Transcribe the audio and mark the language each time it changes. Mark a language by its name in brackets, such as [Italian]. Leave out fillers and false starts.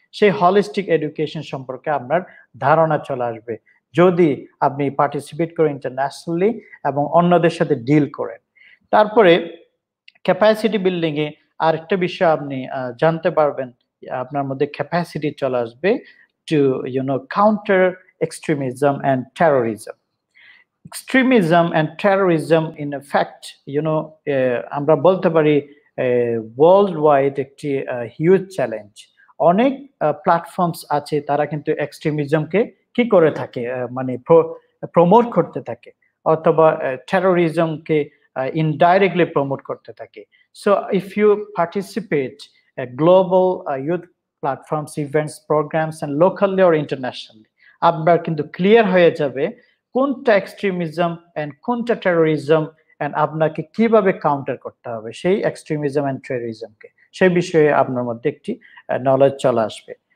[Bangla] সেই holistic education সম্পর্কে আপনার ধারণা চলে আসবে যদি আপনি পার্টিসিপেট করেন ইন্টারন্যাশনালি এবং অন্যদের সাথে ডিল করেন। তারপরে ক্যাপাসিটি বিল্ডিংয়ে আরেকটা বিষয় আপনি জানতে পারবেন, আপনার মধ্যে ক্যাপাসিটি চলে আসবে [English] To counter extremism and terrorism. Extremism and terrorism, in effect, [Bangla] আমরা বলতে পারি worldwide একটি huge challenge। অনেক platforms আছে তারা কিন্তু extremismকে কি করে থাকে, মানে promote করতে থাকে, অথবা terrorismকে indirectly promote করতে থাকে। [English] So if you participate global youth platforms, events, programs and locally or internationally, [Bangla] আপনার কিন্তু clear হয়ে যাবে কোনটা এক্সট্রিমিজম অ্যান্ড কোনটা টেরোরিজম অ্যান্ড আপনাকে কিভাবে কাউন্টার করতে হবে সেই এক্সট্রিমিজম অ্যান্ড টেরোরিজমকে, সেই বিষয়ে আপনার মধ্যে একটি নলেজ চলে আসবে।